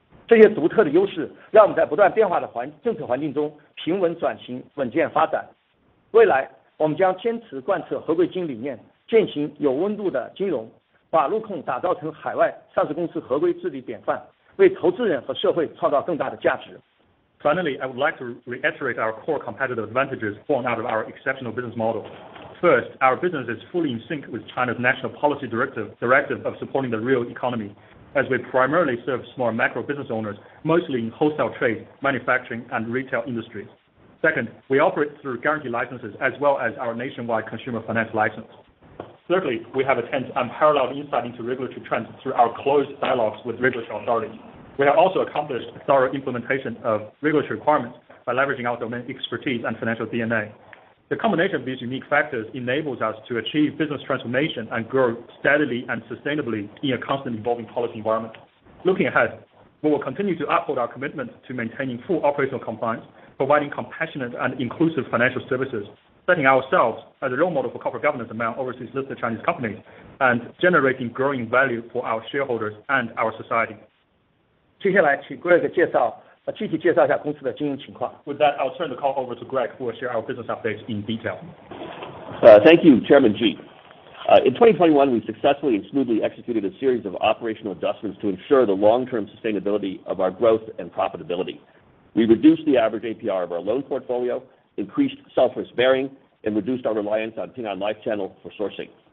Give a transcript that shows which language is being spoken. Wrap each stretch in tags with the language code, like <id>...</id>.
<zh>这些独特的优势让我们在不断变化的政策环境中平稳转型，稳健发展。未来我们将坚持贯彻合规经理念，践行有温度的金融，把陆控打造成海外上市公司合规治理典范，为投资人和社会创造更大的价值。</zh> <en>Finally, I would like to reiterate our core competitive advantages born out of our exceptional business model. First, our business is fully in sync with China's national policy directive of supporting the real economy, as we primarily serve small macro business owners, mostly in wholesale trade, manufacturing, and retail industries. Second, we operate through guaranteed licenses as well as our nationwide consumer finance license. Thirdly, we have attained unparalleled insight into regulatory trends through our close dialogues with regulatory authorities. We have also accomplished thorough implementation of regulatory requirements by leveraging our domain expertise and financial DNA. The combination of these unique factors enables us to achieve business transformation and grow steadily and sustainably in a constantly evolving policy environment. Looking ahead, we will continue to uphold our commitment to maintaining full operational compliance, providing compassionate and inclusive financial services, setting ourselves as a role model for corporate governance among overseas listed Chinese companies, and generating growing value for our shareholders and our society.</en> <zh>接下来请 Greg 介绍，具体介绍一下公司的经营情况。</zh> <en>With that, I'll turn the call over to Greg, who will share our business updates in detail. Thank you, Chairman Ji. In 2021, we successfully and smoothly executed a series of operational adjustments to ensure the long-term sustainability of our growth and profitability. We reduced the average APR of our loan portfolio, increased self-risk bearing, and reduced our reliance on Ping An Life Channel for sourcing.</en>